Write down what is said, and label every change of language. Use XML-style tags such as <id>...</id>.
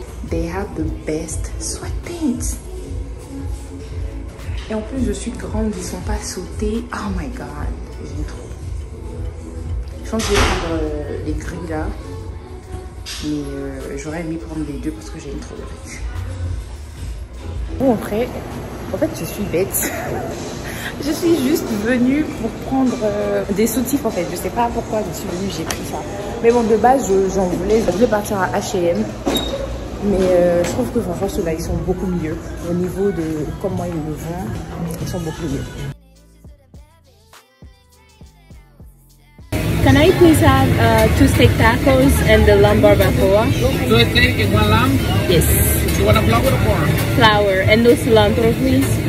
<en>They have the best sweatpants.</en> <fr>Et en plus, je suis grande, ils ne sont pas sautés.</fr> <en>Oh my god,</en> <fr>j'aime trop. Je pense que je vais prendre les gris là. Mais j'aurais aimé prendre les deux parce que j'aime trop le gris. Bon, après, en fait, je suis bête. Je suis juste venue pour prendre des soutifs en fait. Je ne sais pas pourquoi je suis venue, j'ai pris ça. Mais bon, de base, j'en voulais. Je voulais partir à H&M. Mais je trouve que franchement ceux-là ils sont beaucoup mieux au niveau de comment ils le vendent, ils sont beaucoup mieux.</fr> <en>Can I please have two steak tacos and the lamb barbacoa? Two steak and one lamb? Yes. Do you want a flour or corn? Flour and no cilantro please.</en>